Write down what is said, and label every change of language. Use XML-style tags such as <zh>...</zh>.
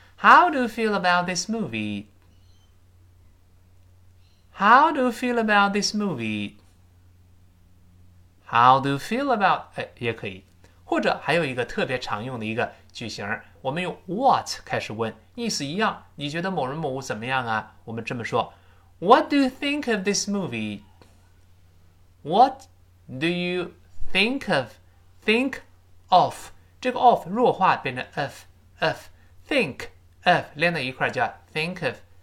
<en>How do you feel about this movie? How do you feel about this movie? How do you feel about</en> <zh>哎，也可以。或者还有一个特别常用的一个句型，我们用 what 开始问，意思一样。你觉得某人某物怎么样啊？我们这么说：</zh> <en>What do you think of this movie? What do you think of?</en> <zh>Think of 这个 of 弱化变成 of，think of 连在一块叫 think of。</zh>